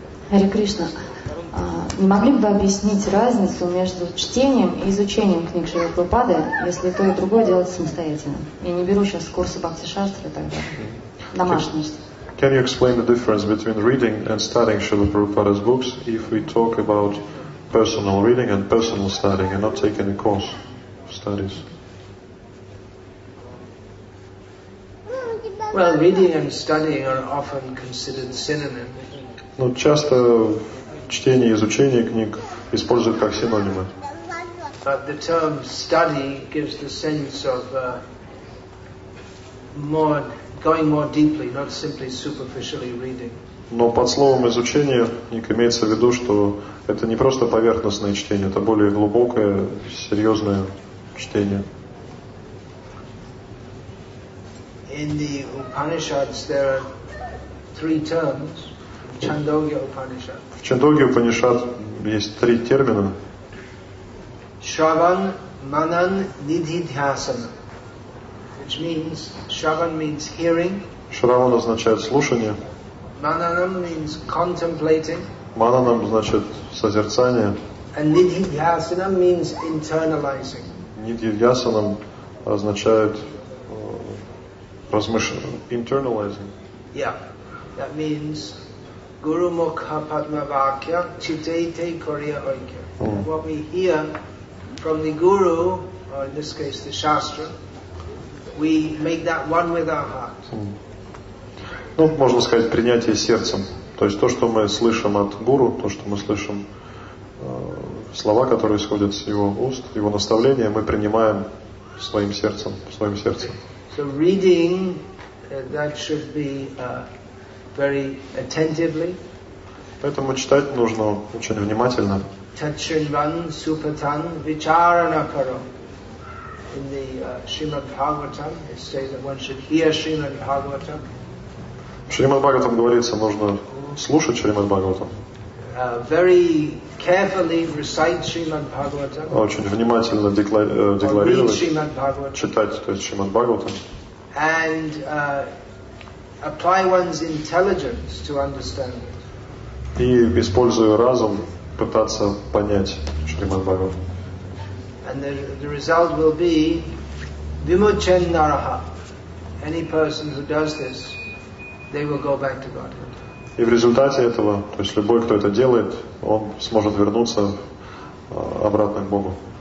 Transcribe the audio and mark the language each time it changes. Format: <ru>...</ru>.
<sa>Hare Krishna.</sa> <ru>Не могли бы вы объяснить разницу между чтением и изучением книг Шрилы Прабхупады, если то и другое делать самостоятельно? Я не беру сейчас курсы Бхакти-шастры тогда. Домашние.</ru> <en>Can you explain the difference between reading and studying Srila Prabhupada's books if we talk about personal reading and personal studying and not taking a course of studies? Well, reading and studying are often considered synonyms.</en> <ru>Ну, часто чтение и изучение книг используют как синонимы.</ru> <en>But the term study gives the sense of more going more deeply, not simply superficially reading.</en> <ru>Но под словом изучение имеется в виду, что это не просто поверхностное чтение, это более глубокое, серьезное чтение.</ru> <en>In the Upanishads there are three terms.</en> <ru>В Чандогья Упанишад есть три термина.</ru> <en>Shravan, Manan, Nididhyasana. Which means, Shravan means hearing.</en> <ru>Shravan означает слушание.</ru> <en>Mananam means contemplating.</en> <ru>Mananam значит созерцание.</ru> <en>And Nididhyasana means internalizing.</en> <ru>Nididhyasana означает размышление. Internalizing.</ru> <en>Yeah, that means</en> <bn>Guru Mukha Padma Vakya Chitete Koriya Oikya.</bn> <en>What we hear from the Guru, or in this case the Shastra, we make that one with our heart.</en> <ru>Ну, можно сказать, принятие сердцем. То есть то, что мы слышим от Гуру, то, что мы слышим, слова, которые исходят с его уст, его наставления, мы принимаем своим сердцем, в своем сердце.</ru> <en>So reading, that should be very attentively.</en> <ru>Поэтому читать нужно очень внимательно.</ru> <sa>Tachinvan supatan vicharana param.</sa> <en>in the Srimad Bhagavatam, it says that one should hear Srimad Bhagavatam.</en> <ru>Srimad Bhagavatam говорится, нужно слушать Srimad Bhagavatam.</ru> <en>Very carefully recite Srimad Bhagavatam.</en> <ru>Очень внимательно декларировать, читать, то есть Srimad Bhagavatam.</ru> <en>And apply one's intelligence to understand it.</en> <ru>И используя разум, пытаться понять Srimad Bhagavatam.</ru> <en>And the result will be</en> <sa>vimuchen naraha.</sa> <en>Any person who does this, they will go back to Godhead.</en> <ru>И в результате этого, то есть любой, кто это делает, он сможет вернуться обратно к Богу.</ru>